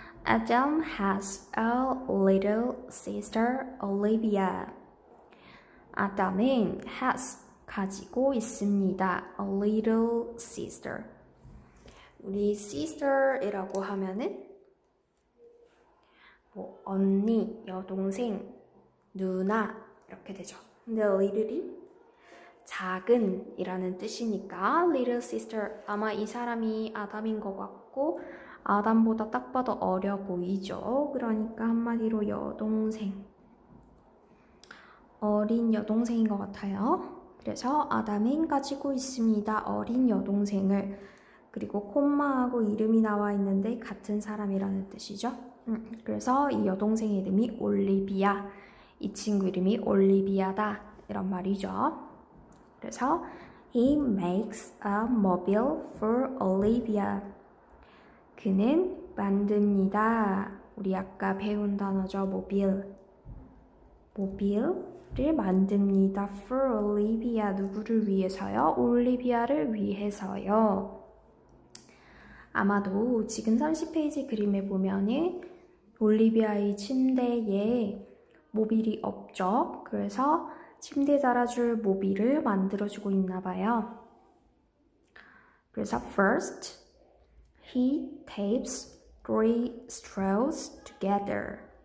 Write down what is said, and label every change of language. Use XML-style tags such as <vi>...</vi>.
<en>Adam has a little sister, Olivia.</en> <ko>아담은</ko> <en>has</en> <ko>가지고 있습니다.</ko> <en>A little sister.</en> <ko>우리</ko> <en>sister</en> <ko>이라고 하면은 뭐 언니, 여동생, 누나 이렇게 되죠. 근데 little이 작은이라는 뜻이니까</ko> <en>little sister</en> <ko>아마 이 사람이 아담인 것 같고 아담보다 딱 봐도 어려 보이죠. 그러니까 한마디로 여동생. 어린 여동생인 것 같아요. 그래서 아담은 가지고 있습니다. 어린 여동생을. 그리고 콤마하고 이름이 나와 있는데 같은 사람이라는 뜻이죠. 그래서 이 여동생 이름이 올리비아. 이 친구 이름이 올리비아다. 이런 말이죠. 그래서</ko> <en>He makes a mobile for Olivia.</en> <ko>그는 만듭니다. 우리 아까 배운 단어죠. mobile. mobile를 만듭니다.</ko> <en>For Olivia.</en> <ko>누구를 위해서요? 올리비아를 위해서요. 아마도 지금 30페이지 그림에 보면은 올리비아의 침대에 모빌이 없죠. 그래서 침대 달아줄 모빌을 만들어주고 있나봐요. 그래서</ko> <en>first, he tapes three straws together.</en>